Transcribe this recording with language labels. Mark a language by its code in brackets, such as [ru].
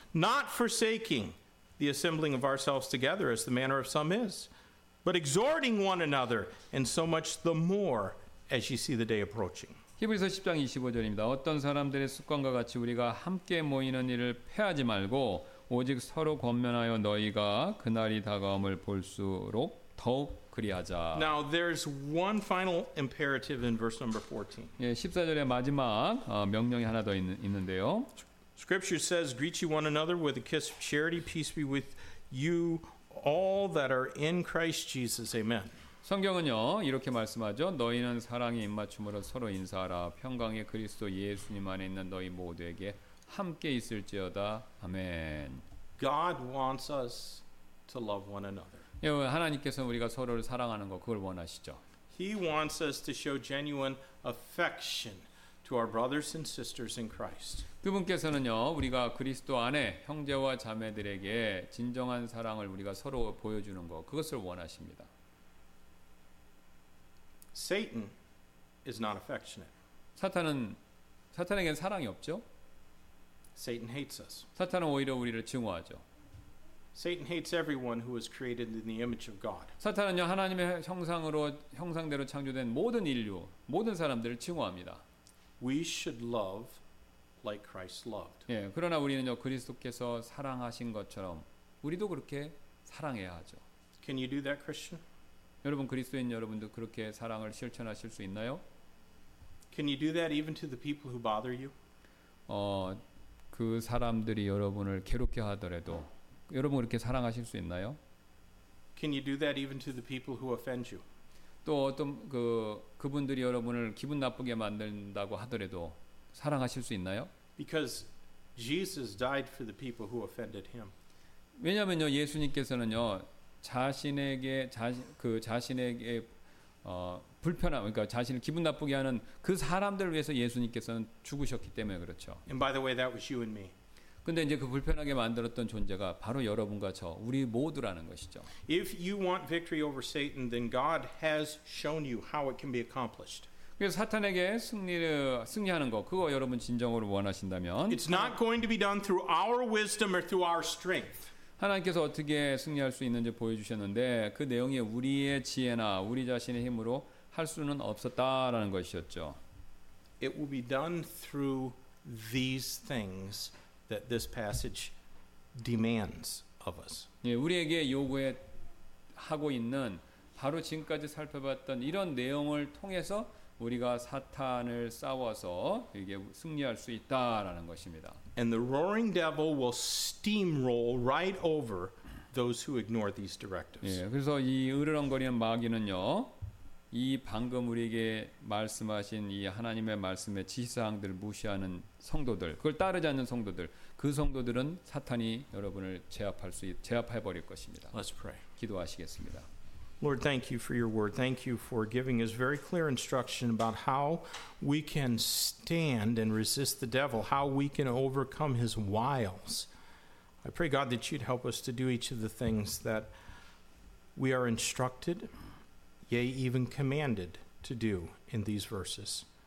[en] Not forsaking the assembling of ourselves together as the manner of some is, but exhorting one another, and so much the more as you see the day approaching. [ko] 히브리서 10장 25절입니다. 어떤 사람들의 습관과 같이 우리가 함께 모이는 일을 폐하지 말고 오직 서로 권면하여 너희가 그날이 다가옴을 볼수록 더욱 그리하자. [en] Now there's one final imperative in verse number 14. [ko] 예, 14절의 마지막 명령이 하나 더 있는데요. [en] Scripture says, greet you one another with a kiss of charity. Peace be with you all that are in Christ Jesus. Amen. [ko] 성경은요 이렇게 말씀하죠. 너희는 사랑의 입맞춤으로 서로 인사하라. 평강의 그리스도 예수님 안에 있는 너희 모두에게 함께 있을지어다. 아멘. [en] God wants us to love one another. [ko] 예, 하나님께서 우리가 서로를 사랑하는 거 그걸 원하시죠. [en] He wants us to show genuine affection to our brothers and sisters in Christ. [ko] 그분께서는요 우리가 그리스도 안에 형제와 자매들에게 진정한 사랑을 우리가 서로 보여주는 거 그것을 원하십니다. [en] Satan is not affectionate. [ko] 사탄에겐 사랑이 없죠. [en] Satan hates us. [ko] 사탄은 오히려 우리를 증오하죠. [en] Satan hates everyone who was created in the image of God. [ko] 사탄은요 하나님의 형상대로 창조된 모든 인류, 모든 사람들을 증오합니다. [en] We should love like Christ loved. [ko] 예, 그러나 우리는요 그리스도께서 사랑하신 것처럼 우리도 그렇게 사랑해야 하죠. [en] Can you do that, Christian? [ko] 여러분 그리스도인 여러분들 그렇게 사랑을 실천하실 수 있나요? [en] Can you do that even to the people who bother you? [ko] 그 사람들이 여러분을 괴롭게 하더라도 여러분 그렇게 사랑하실 수 있나요? [en] Can you do that even to the people who offend you? [ko] 또 어떤 그분들이 여러분을 기분 나쁘게 만든다고 하더라도 사랑하실 수 있나요? [en] Because Jesus died for the people who offended him. [ko] 왜냐면요 예수님께서는요 자신에게 자신에게 불편함 그러니까 자신을 기분 나쁘게 하는 그 사람들을 위해서 예수님께서는 죽으셨기 때문에 그렇죠. [en] And by the way, that was you and me. [ko] 근데 이제 그 불편하게 만들었던 존재가 바로 여러분과 저 우리 모두라는 것이죠. [en] If you want victory over Satan, then God has shown you how it can be accomplished. [ko] 그래서 사탄에게 승리하는 거 그거 여러분 진정으로 원하신다면 [en] It's not going to be done through our wisdom or through our strength. [ko] 하나님께서 어떻게 승리할 수 있는지 보여주셨는데 그 내용이 우리의 지혜나 우리 자신의 힘으로 할 수는 없었다라는 것이었죠. [en] It will be done through these things that this passage demands of us. [ko] 예, 우리에게 요구하고 있는 바로 지금까지 살펴봤던 이런 내용을 통해서 우리가 사탄을 싸워서 이게 승리할 수 있다라는 것입니다. [en] And the roaring devil will steamroll right over those who ignore these directives. [ko] 예, 그래서 이 으르렁거리는 마귀는요, 이 방금 우리에게 말씀하신 이 하나님의 말씀의 지시사항들을 무시하는 성도들, 그걸 따르지 않는 성도들, 그 성도들은 사탄이 여러분을 제압해 버릴 것입니다. [en] Let's pray. [ko] 기도하시겠습니다. [en] Lord, thank you for your word. Thank you for giving us very clear instruction about how we can stand and resist the devil, how we can overcome his wiles. I pray, God, that you'd help us to do each of the things that we are instructed, yea, even commanded to do in these verses.